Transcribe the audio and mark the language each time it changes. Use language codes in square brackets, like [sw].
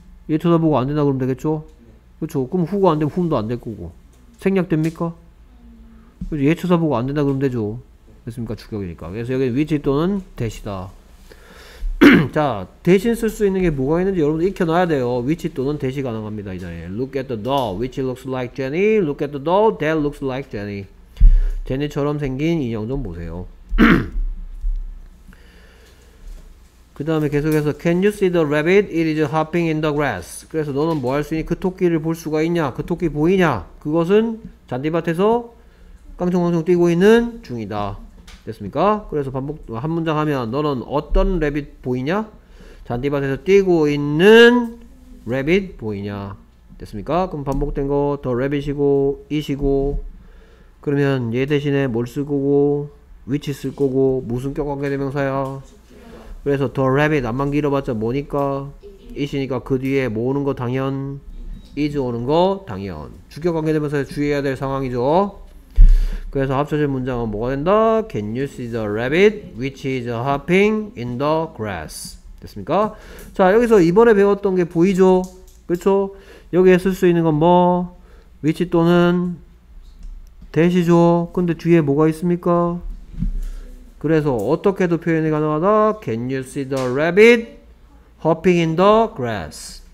[ko] 얘 쳐다보고 안 된다 그러면 되겠죠? 그렇죠. 그럼 who가 안 되면 whom도 안 될 거고 생략됩니까? 그렇죠. 얘 쳐다보고 안 된다 그러면 되죠. 됐습니까? 주격이니까. 그래서 여기 which 또는 that이다. 자, 대신 쓸 수 있는 게 뭐가 있는지 여러분들 익혀놔야 돼요. [en] which 또는 that [ko] 이 가능합니다. 이 자리에 [en] look at the doll, which looks like Jenny. look at the doll, that looks like Jenny. [ko] 제니처럼 생긴 인형 좀 보세요. 그 다음에 계속해서 [en] can you see the rabbit? it is hopping in the grass. [ko] 그래서 너는 뭐 할 수 있니? 그 토끼를 볼 수가 있냐? 그 토끼 보이냐? 그것은 잔디밭에서 깡총깡총 뛰고 있는 중이다. 됐습니까? 그래서 반복 한 문장 하면 너는 어떤 래빗 보이냐? 잔디밭에서 뛰고 있는 래빗 보이냐? 됐습니까? 그럼 반복된 거 더 래빗이고 이시고 그러면 얘 대신에 뭘 쓸 거고 위치 쓸 거고 무슨 격 관계대명사야? 그래서 더 래빗 안만 길어봤자 뭐니까? 이시니까 그 뒤에 뭐 오는 거 당연? 이즈 오는 거 당연. 주격 관계대명사에 주의해야 될 상황이죠. 그래서 합쳐진 문장은 뭐가 된다? [en] Can you see the rabbit which is hopping in the grass? [ko] 됐습니까? 자, 여기서 이번에 배웠던 게 보이죠? 그렇죠? 여기에 쓸 수 있는 건 뭐? which 또는 that이죠? 근데 뒤에 뭐가 있습니까? 그래서 어떻게도 표현이 가능하다? [en] Can you see the rabbit hopping in the grass?